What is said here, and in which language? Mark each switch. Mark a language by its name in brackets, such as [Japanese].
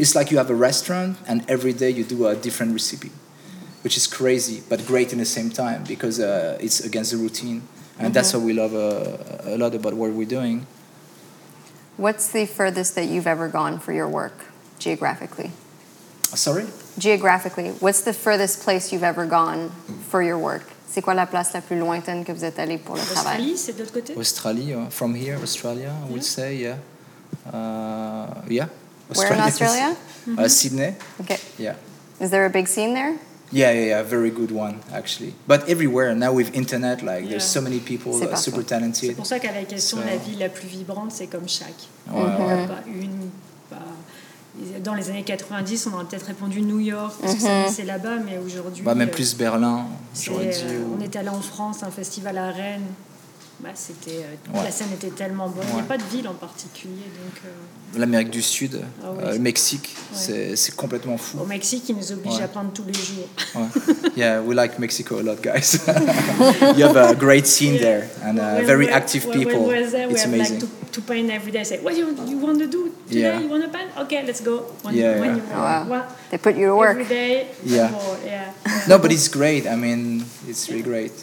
[English] It's like you have a restaurant and every day you do a different recipe, which is crazy but great in the same time because it's against the routine. And mm-hmm. that's what we love a lot about what we're doing. What's the furthest that you've ever gone for your work, geographically? Sorry? Geographically, what's the furthest place you've ever gone for your work? [French] C'est quoi la place la plus lointaine que vous êtes allé pour le Australie, travail? Australie, c'est de l'autre côté? [English] Australie, from here, Australia, I would say, yeah. Yeah. Australia. Where in Australia? Mm-hmm. Sydney. Okay. Yeah. Is there a big scene there? Yeah, very good one, actually. But everywhere, now with internet, like, yeah. There's so many people that are super talented. [French] C'est pour ça qu'à la question, la ville la plus vibrante, c'est comme chaque. Ouais. Dans les années 90, on aurait peut-être répondu New York, parce que ça passait là-bas, mais aujourd'hui... Bah, même plus Berlin, j'aurais dit. On est allé en France, un festival à Rennes. Bah, c'était, la scène était tellement bonne. Ouais. Il n'y a pas de ville en particulier, donc... L'Amérique du Sud, le Mexique, c'est complètement fou. Au Mexique, ils nous obligent à peindre tous les jours. [English] Yeah, we like Mexico a lot, guys. You have a great scene there, and very active people. It's amazing. Like to paint every day. I say, what do you want to do today? Yeah. You want to paint? Okay, let's go. They put you to work. Every day. Yeah. No, but it's great. I mean, it's really great.